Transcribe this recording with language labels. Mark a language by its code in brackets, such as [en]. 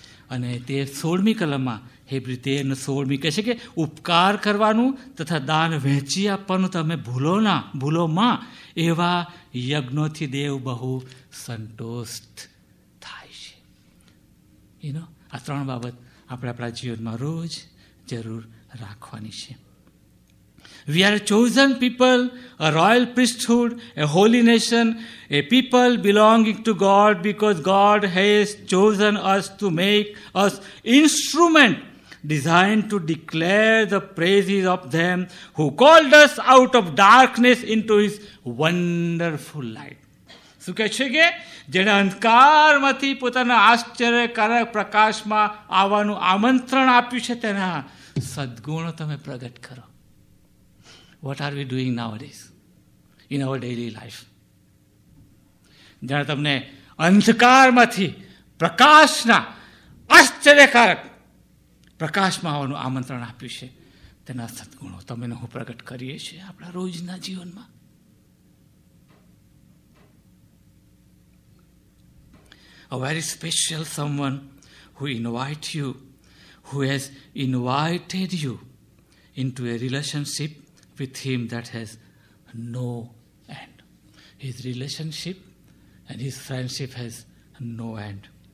[gu] અને તે 16 કલમમાં હેબ્રી 13:16 કહે છે કે ઉપકાર કરવાનું તથા દાન વહેંચી આપવાનું તમે ભૂલો ના, ભૂલોમાં એવા યજ્ઞોથી દેવ બહુ સંતોષ થાય છે. એનો આ ત્રણ બાબત આપણે આપણા જીવનમાં રોજ જરૂર રાખવાની છે. [en] We are a chosen people, a royal priesthood, a holy nation, a people belonging to God because God has chosen us to make us instrument designed to declare the praises of them who called us out of darkness into his wonderful light. [gu] શું કહે છે કે જેને અંધકારમાંથી પોતાના આશ્ચર્યકારક પ્રકાશમાં આવવાનું આમંત્રણ આપ્યું છે તેના સદગુણો તમે પ્રગટ કરો. [en] What are we doing nowadays in our daily life? [gu] જેણે તમને અંધકારમાંથી પ્રકાશના આશ્ચર્યકારક પ્રકાશમાં આવવાનું આમંત્રણ આપ્યું છે તેના સદગુણો તમે ને હું પ્રગટ કરીએ છીએ આપણા રોજના જીવનમાં. [en] A very special someone who invites you, who has invited you into a relationship with him that has no end. His relationship and his friendship has no end.